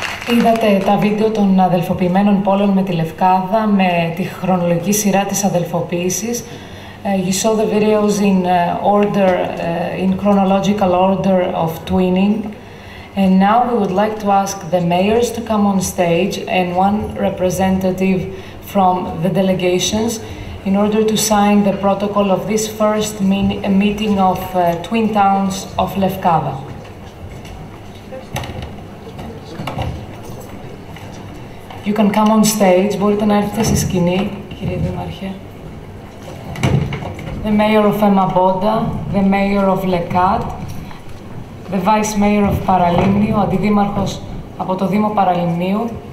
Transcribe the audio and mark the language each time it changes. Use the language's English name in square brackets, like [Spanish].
[Greek] Είδατε τα βίντεο των αδελφοποιημένων πόλεων με τη Λευκάδα, με τη χρονολογική σειρά της αδελφοποίησης. [English] You saw the videos in order, in chronological order of twinning. And now we would like to ask the mayors to come on stage and one representative from the delegations in order to sign the protocol of this first meeting of twin towns of Λευκάδα. You can come on stage. [Greek] Μπορείτε να έρθετε στη σκηνή, κύριε Δήμαρχε. [English] The mayor of Εμαμπόντα, the mayor of Λεκάτ, the vice mayor of Παραλίμνιο, [Greek] αντιδήμαρχος από το Δήμο Παραλίμνιου.